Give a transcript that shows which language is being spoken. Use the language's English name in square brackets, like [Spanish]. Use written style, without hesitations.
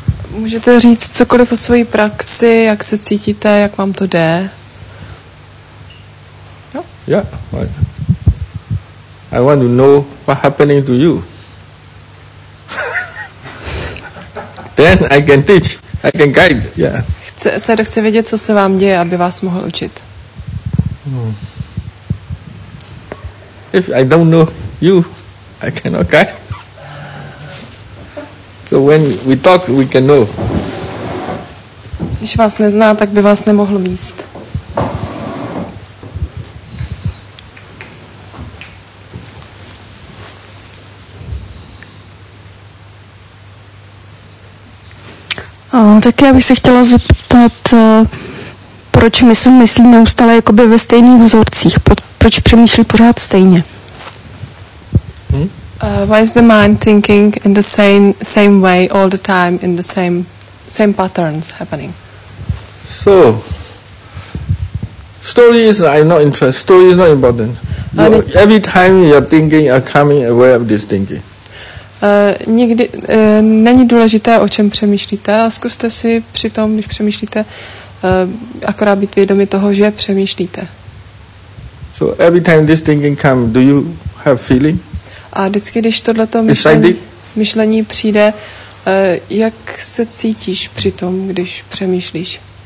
[Czech] Můžete říct cokoliv o své praxi, jak se cítíte, jak vám to jde? No? [English] Yeah, right. I want to know what happening to you. Then I can teach, I can guide, yeah. [Czech] Chce vědět, co se vám děje, aby vás mohl učit. [English] If I don't know you, I cannot guide. So when we talk, we can know. [Czech] Když vás nezná, tak by vás nemohl míst. Tak já bych se chtěla zeptat, proč mysl myslí neustále jakoby ve stejných vzorcích? Proč přemýšlí pořád stejně? [English] Why is the mind thinking in the same way all the time in the same patterns happening? So story is I'm not interested. Story is not important. Every time you're thinking, you're coming aware of this thinking. [Czech] Nikdy není důležité, o čem přemýšlíte. A zkuste si přitom, když přemýšlíte, akorát být vědomi toho, že přemýšlíte. [English] So every time this thinking comes, do you have feeling? [Czech] A vždycky, když tohleto myšlení přijde, jak se cítíš při tom, když přemýšlíš?